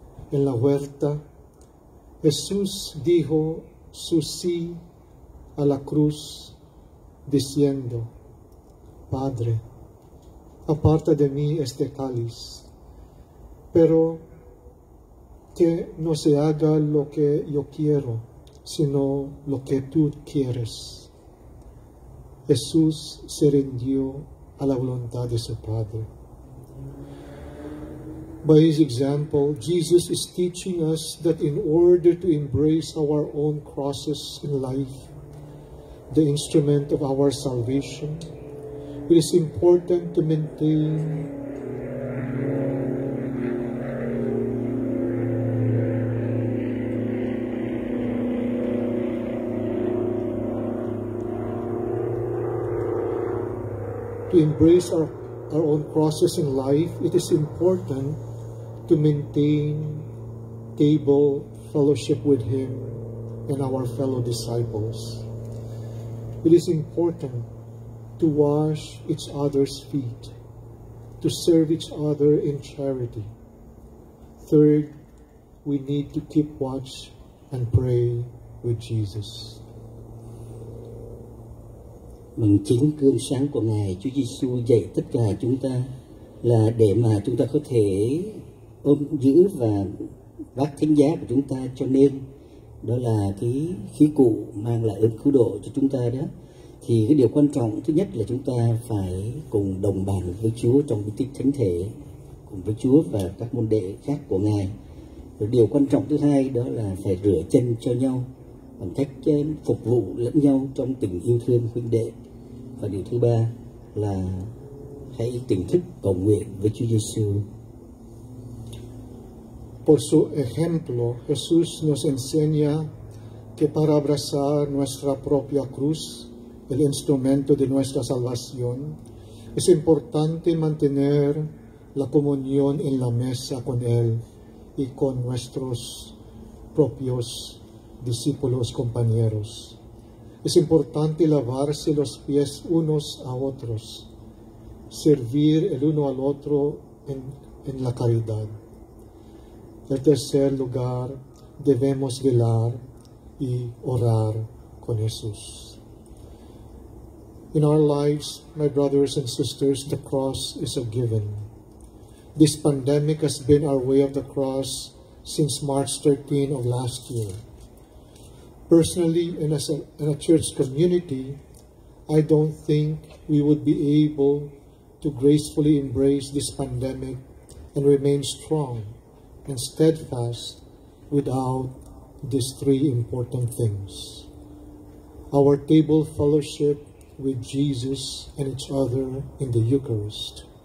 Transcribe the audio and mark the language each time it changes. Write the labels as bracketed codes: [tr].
[es] En la huerta, Jesús dijo su sí a la cruz, diciendo: Padre, aparta de mí este cáliz, pero que no se haga lo que yo quiero, sino lo que tú quieres. Jesús se rindió a la voluntad de su Padre. [en] By his example, Jesus is teaching us that in order to embrace our own crosses in life, the instrument of our salvation, it is important to maintain to embrace our own crosses in life, it is important to maintain table fellowship with Him and our fellow disciples. It is important to wash each other's feet, to serve each other in charity. Third, we need to keep watch and pray with Jesus. [vi] Bằng chính gương sáng của Ngài, Chúa Giêsu dạy tất cả chúng ta là để mà chúng ta có thể ôm giữ và vác thánh giá của chúng ta cho nên, đó là cái khí cụ mang lại ơn cứu độ cho chúng ta đó. Thì cái điều quan trọng thứ nhất là chúng ta phải cùng đồng bàn với Chúa trong bí tích thánh thể, cùng với Chúa và các môn đệ khác của Ngài. Rồi điều quan trọng thứ hai đó là phải rửa chân cho nhau bằng cách phục vụ lẫn nhau trong tình yêu thương huynh đệ. Và điều thứ ba là hãy tỉnh thức cầu nguyện với Chúa Giêsu. [es] Por su ejemplo, Jesús nos enseña que para abrazar nuestra propia cruz, el instrumento de nuestra salvación, es importante mantener la comunión en la mesa con Él y con nuestros propios discípulos, compañeros. Es importante lavarse los pies unos a otros, servir el uno al otro en la caridad. En tercer lugar, debemos velar y orar con Jesús. [en] In our lives, my brothers and sisters, the cross is a given. This pandemic has been our way of the cross since March 13 of last year. Personally, and as a church community, I don't think we would be able to gracefully embrace this pandemic and remain strong and steadfast without these three important things: our table fellowship with Jesus and each other in the Eucharist,